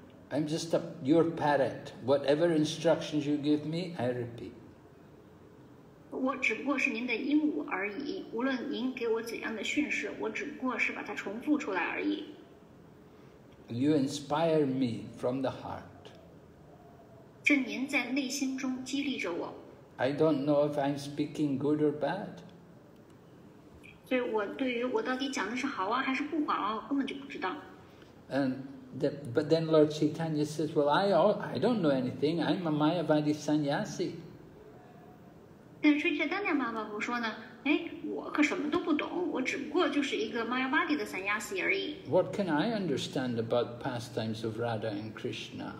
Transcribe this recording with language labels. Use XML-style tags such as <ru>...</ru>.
<en>I'm just your parrot. Whatever instructions you give me, I repeat.</en> <zh>我只不过是您的鹦鹉而已，无论您给我怎样的训示，我只不过是把它重复出来而已。</zh> <en>You inspire me from the heart.</en> <zh>是您在内心中激励着我。</zh> <en>I don't know if I'm speaking good or bad.</en> <zh>所以我对于我到底讲的是好啊还是不好啊，我根本就不知道。</zh> <en>But then Lord Chaitanya says, well, I don't know anything. I'm a Mayavadi sannyasi.</en> <zh>但是 Chaitanya 妈妈不说呢，哎，我可什么都不懂，我只不过就是一个 Mayavadi 的 sannyasi 而已。</zh> <en>What can I understand about pastimes of Radha and Krishna?</en>